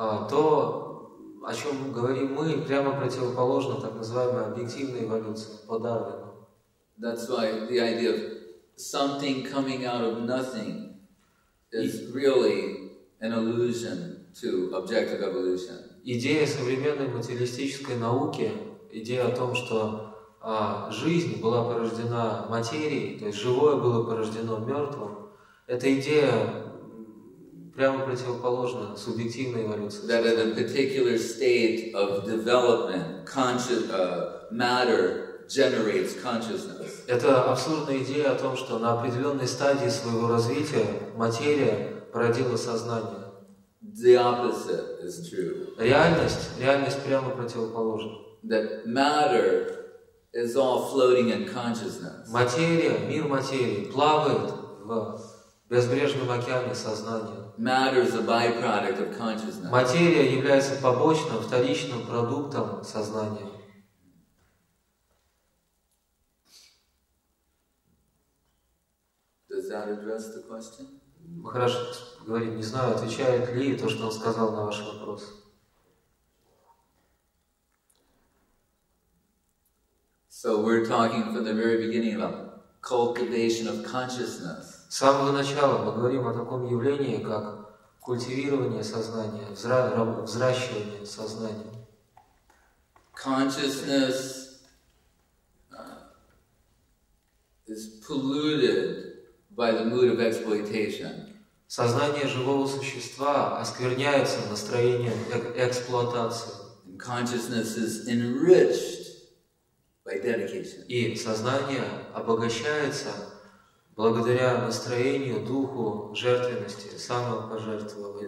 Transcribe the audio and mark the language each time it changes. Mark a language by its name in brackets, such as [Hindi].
[Russian] То, о чем говорим мы, прямо противоположно так называемой объективной эволюции, по Дарвину. [English] That's why the idea of something coming out of nothing is really an allusion to objective evolution. [Russian] Идея современной материалистической науки, идея о том, что жизнь была порождена материей, то есть живое было порождено мертвым, это идея прямо противоположна субъективной эволюции. [English] That in a particular state of development, matter generates consciousness. [Russian] Это абсурдная идея о том, что на определенной стадии своего развития материя породила сознание. [English] The opposite is true. [Russian] Реальность прямо противоположна. [English] That matter is all floating in consciousness. [Russian] Материя, мир материи, плавает в безбрежном океане сознания. [English] Matter is a byproduct of consciousness. [Russian] Материя является побочным, вторичным продуктом сознания. [English] Does that address the question? [Russian] Хорошо говорит, не знаю, отвечает ли то, что он сказал на ваш вопрос. [English] So we're talking from the very beginning about cultivation of consciousness. [Russian] С самого начала мы говорим о таком явлении, как культивирование сознания, взращивание сознания. [English] Consciousness is polluted by the mood of exploitation. [Russian] Сознание живого существа оскверняется настроением эксплуатации. [English] And consciousness is enriched by dedication. [Russian] И сознание обогащается благодаря настроению, духу жертвенности, самопожертвования.